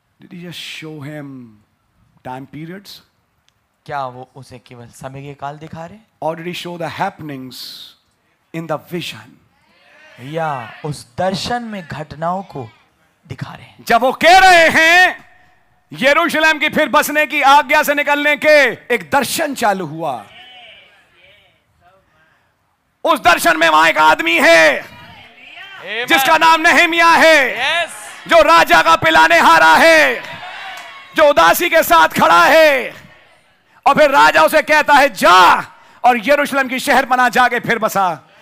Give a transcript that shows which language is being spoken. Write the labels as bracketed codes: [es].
[en] just show him time periods? [hi] क्या वो उसे केवल समय के काल दिखा रहे? [en] Or did he show the happenings in the vision? [hi] या उस दर्शन में घटनाओं को दिखा रहे? जब वो कह रहे हैं यरूशलेम की फिर बसने की आज्ञा से निकलने के एक दर्शन चालू हुआ, उस दर्शन में वहां एक आदमी है जिसका नाम नहेमिया है, जो राजा का पिलाने हारा है, जो उदासी के साथ खड़ा है, और फिर राजा उसे कहता है जा और यरूशलेम की शहर बना, जाके फिर बसा।